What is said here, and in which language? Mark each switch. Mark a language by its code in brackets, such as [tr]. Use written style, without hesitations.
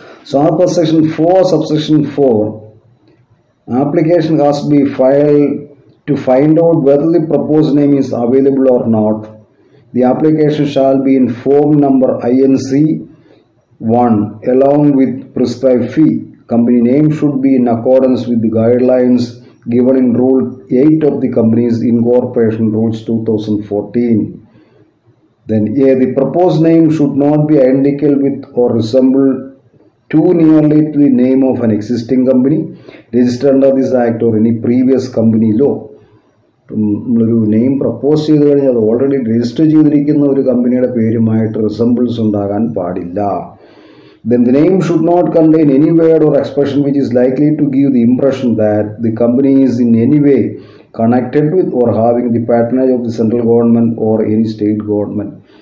[en] So ആ section 4 subsection 4, application has be filed to find out whether the propose name is available or not. The application shall be in form number INC 1 along with prescribed fee. Company name should be in accordance with the guidelines given in Rule 8 of the Company's Incorporation Rules 2014. Then A, the proposed name should not be identical with or resemble too nearly to the name of an existing company registered under this Act or any previous company law. [ml] നമ്മളൊരു name propose ചെയ്ത് കഴിഞ്ഞാൽ അത് already register ചെയ്തിരിക്കുന്ന ഒരു കമ്പനിയുടെ പേരുമായിട്ട് resembles ഉണ്ടാകാൻ പാടില്ല. [en] Then the name should not contain any word or expression which is likely to give the impression that the company is in any way connected with or having the patronage of the central government or any state government.